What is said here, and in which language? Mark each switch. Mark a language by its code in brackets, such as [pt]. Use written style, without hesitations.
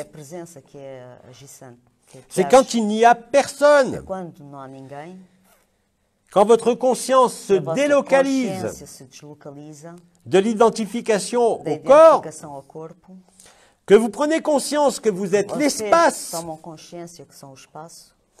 [pt] É a presença que é agissante. [fr] C'est quand il n'y a personne. [pt] É quando não há ninguém. [fr] Quand votre conscience se délocalise, [pt] consciência se deslocaliza, [fr] de l'identification au corps, [pt] identificação ao corpo, [fr] que vous prenez conscience que vous êtes l'espace, [pt] tomam consciência que são o espaço.